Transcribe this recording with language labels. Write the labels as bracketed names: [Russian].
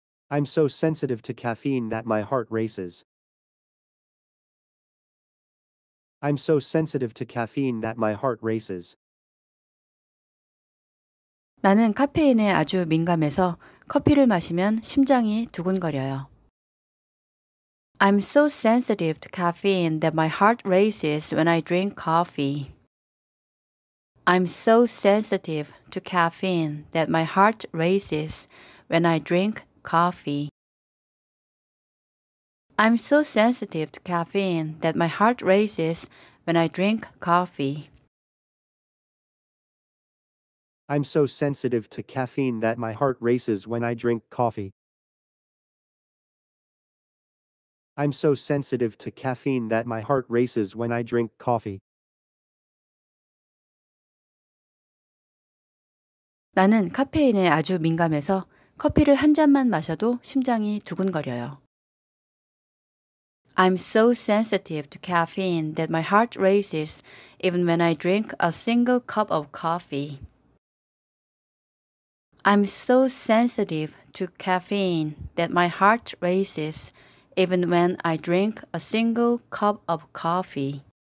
[English] I'm so sensitive to caffeine that my heart races. I'm so sensitive to caffeine that my heart races. [Korean] 나는 카페인에 아주 민감해서 커피를 마시면 심장이 두근거려요. [English] I'm so sensitive to caffeine that my heart races when I drink coffee. I'm so sensitive to caffeine that my heart races when I drink coffee. I'm so sensitive to caffeine that my heart races when I drink coffee. I'm so sensitive to caffeine that my heart races when I drink coffee. I'm so sensitive to caffeine that my heart races when I drink coffee. [Korean] 나는 카페인에 아주 민감해서 커피를 한 잔만 마셔도 심장이 두근거려요. [English] I'm so sensitive to caffeine that my heart races even when I drink a single cup of coffee. I'm so sensitive to caffeine that my heart races even when I drink a single cup of coffee.